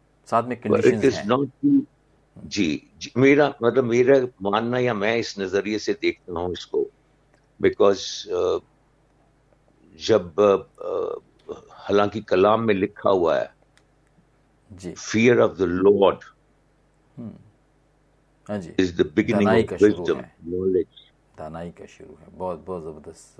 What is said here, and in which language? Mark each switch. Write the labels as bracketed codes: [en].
[ur] ساتھ میں کنڈیشنز ہیں. جی میرا مطلب میرا ماننا یا میں اس نظریے سے دیکھتا ہوں اس کو, بیکاز جب حالانکہ کلام میں لکھا ہوا ہے جی [en] Fear of the Lord is the beginning of wisdom knowledge. [ur] دانائی کا شروع ہے, بہت بہت زبردست.